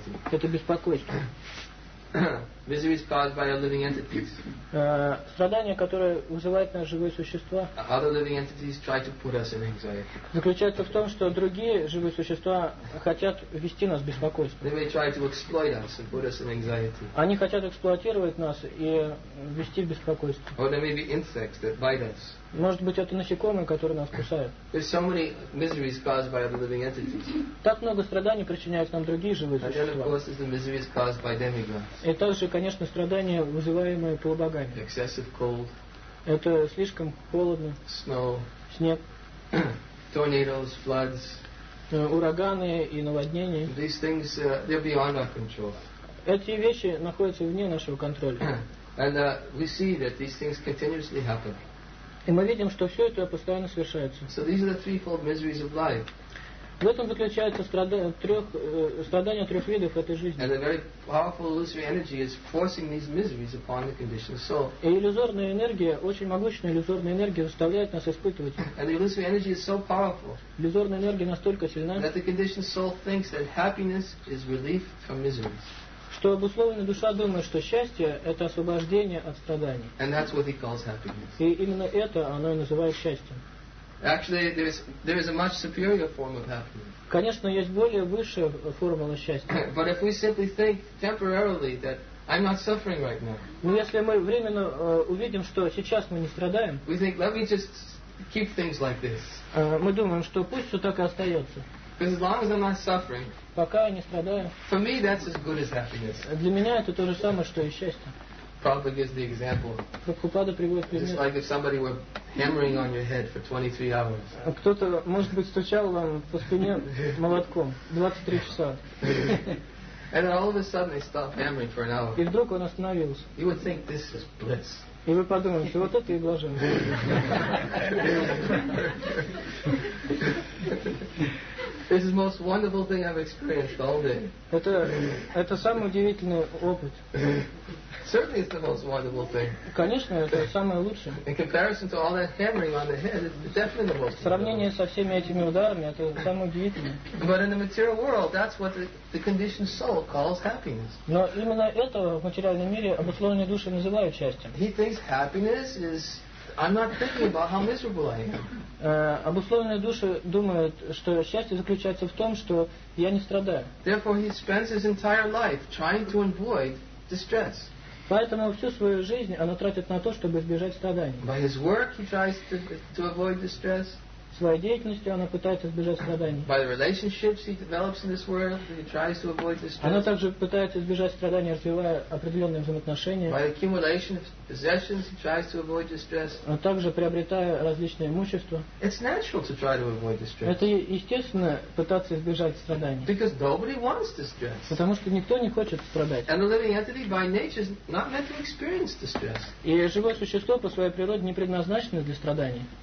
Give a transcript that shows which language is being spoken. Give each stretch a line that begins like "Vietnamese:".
Russian: Это беспокойство.
English: Miseries caused by our living entities.
Russian: Страдания, которые вызывают нас живые существа.
English: Other living entities try to put us in anxiety.
Russian: Заключается в том, что другие живые существа хотят ввести нас в беспокойство.
English: They may try to exploit us and put us in anxiety.
Russian: Они хотят эксплуатировать нас и ввести в беспокойство.
English: Or there may be insects that bite us.
Russian: Может быть, это насекомые, которые нас кусают.
English: There's so many miseries caused by other living entities.
Russian: Так много страданий причиняют нам другие живые существа.
English: And then, of course, is the miseries caused by demigods.
Russian: И также, конечно, страдания, вызываемые полубогами.
English: Excessive cold.
Russian: Это слишком холодно.
English: Snow.
Russian: Снег.
English: Tornadoes, floods.
Russian: Ураганы и наводнения.
English: These things, they're beyond our control.
Russian: Эти вещи находятся вне нашего контроля.
English: And we see that these things continuously happen.
Russian: И мы видим, что все это постоянно совершается.
English: So these are the threefold miseries of life.
Russian: В этом заключается страдание трех видов этой жизни.
English: And a very powerful illusory energy is forcing these miseries upon the conditioned soul.
Russian: И иллюзорная энергия, очень могучая иллюзорная энергия, заставляет нас испытывать.
English: And the illusory energy is so powerful.
Russian: Иллюзорная энергия настолько сильна,
English: that the conditioned soul thinks that happiness is relief from miseries.
Russian: Что обусловленная душа думает, что счастье – это освобождение от страданий.
English: And that's what he calls happiness.
Russian: И именно это оно и называет счастьем.
English: Actually, there is a much superior form of happiness.
Russian: Конечно, есть более высшая формула счастья.
English: But if we simply think temporarily that I'm not suffering right now.
Russian: Но если мы временно увидим, что сейчас мы не страдаем.
English: We think, let me just keep things like this.
Russian: Мы думаем, что пусть все так и остается.
English: Because as long as I'm not suffering,
Russian: пока я не страдаю,
English: for me that's as good as happiness.
Russian: Для меня это то же самое, что и счастье.
English: Prabhupada gives the example.
Russian: Прабхупада приводит пример.
English: It's like if somebody were hammering on your head for 23 hours.
Russian: Кто-то, может быть, стучал вам по спине молотком 23 часа.
English: And then all of a sudden they stopped hammering for an hour.
Russian: И вдруг он остановился.
English: You would think this is bliss.
Russian: И вы подумаете, вот это и блаженство.
English: This is the most wonderful thing I've experienced all day.
Russian: Это самый удивительный опыт.
English: Certainly it's the most wonderful thing.
Russian: Конечно, это самое лучшее.
English: In comparison to all that hammering on the head, it's definitely the most wonderful.
Russian: В сравнении со всеми этими ударами, это самое удивительное.
English: But in the material world, that's what the conditioned soul calls happiness.
Russian: Но именно это в материальном мире обусловленные души называют счастьем.
English: He thinks happiness is I'm not thinking about how miserable I am.
Russian: Обусловленные души думают, что счастье заключается в том, что я не страдаю.
English: Therefore, he spends his entire life trying to avoid distress.
Russian: Поэтому всю свою жизнь оно тратит на то, чтобы избежать страданий.
English: By his work, he tries to avoid distress.
Russian: Своей деятельностью оно пытается избежать страданий.
English: By the relationships he develops in this world, he tries to avoid distress.
Russian: Оно также пытается избежать страданий, развивая определенные взаимоотношения.
English: By accumulation of possessions, he tries to avoid distress.
Russian: Оно также приобретая различные имущества.
English: It's natural to try to avoid distress.
Russian: Это естественно пытаться избежать страданий.
English: Because nobody wants distress.
Russian: Потому что никто не хочет страдать.
English: And the living entity by nature is not meant to experience distress.
Russian: И живое существо по своей природе не предназначено для страданий.